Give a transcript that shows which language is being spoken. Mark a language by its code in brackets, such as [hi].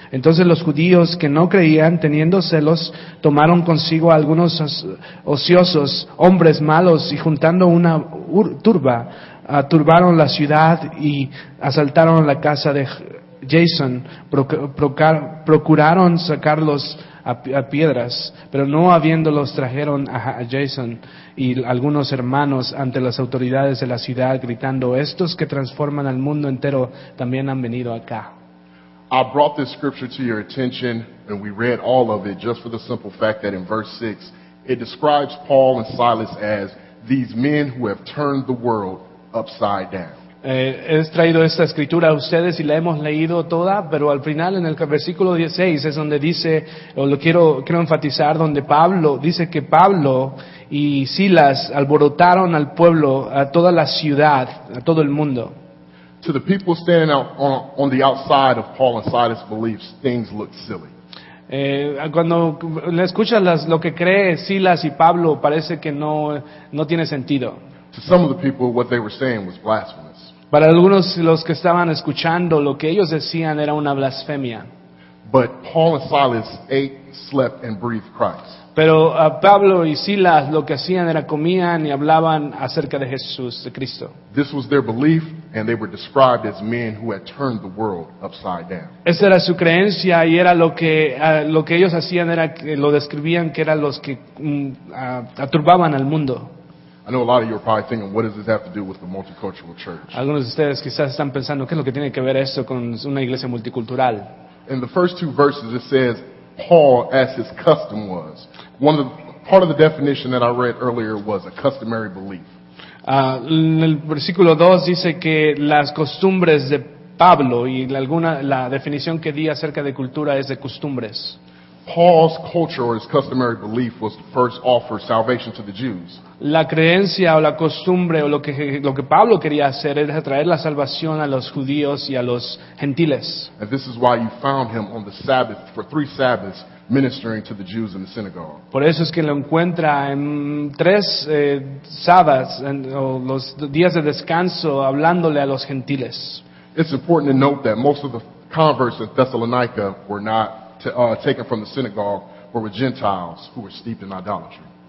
[es] Entonces los judíos que no creían, teniendo celos, tomaron consigo a algunos ociosos hombres malos, y juntando una turba, turbaron la ciudad y asaltaron la casa de Jason, procuraron sacarlos a piedras, pero no habiéndolos trajeron a Jason y algunos hermanos ante las autoridades de la ciudad, gritando, estos que transforman al mundo entero también han venido acá. [en] I brought this scripture to your attention and we read all of it just for the simple fact that in verse 6 it describes Paul and Silas as these men who have turned the world upside down. [es] He traído esta escritura a ustedes y la hemos leído toda, pero al final en el versículo 16 es donde dice, o lo quiero enfatizar, donde Pablo dice que Pablo y Silas alborotaron al pueblo, a toda la ciudad, a todo el mundo. [en] To the people standing out on the outside of Paul and Silas' beliefs, things look silly. [es] Cuando le escuchas lo que cree Silas y Pablo, parece que no tiene sentido. [en] To some of the people, what they were saying was blasphemous. [es] Para algunos los que estaban escuchando, lo que ellos decían era una blasfemia. [en] But Paul and Silas ate, slept, and breathed Christ. [es] Pero Pablo y Silas lo que hacían era comían y hablaban acerca de Jesús, de Cristo. [en] This was their belief, and they were described as men who had turned the world upside down. [es] Esa era su creencia, y era lo que ellos hacían era que lo describían que eran los que aturbaban al mundo. [en] I know a lot of you are probably thinking, what does this have to do with the multicultural church? [es] Algunos de ustedes quizás están pensando, ¿qué es lo que tiene que ver esto con una iglesia multicultural? [en] In the first two verses it says, Paul, as his custom was. Part of the definition that I read earlier was a customary belief. [es] En el versículo 2 dice que las costumbres de Pablo, y la definición que di acerca de cultura es de costumbres. [en] Paul's culture or his customary belief was to first offer salvation to the Jews. [es] La creencia o la costumbre o lo que Pablo quería hacer era traer la salvación a los judíos y a los gentiles. [en] And this is why you found him on the Sabbath for 3 Sabbaths ministering to the Jews in the synagogue. [es] Por eso es que lo encuentra en 3 Sabbaths o los días de descanso hablándole a los gentiles. [en] It's important to note that most of the converts in Thessalonica were not taken from the synagogue, but were Gentiles who were steeped in idolatry.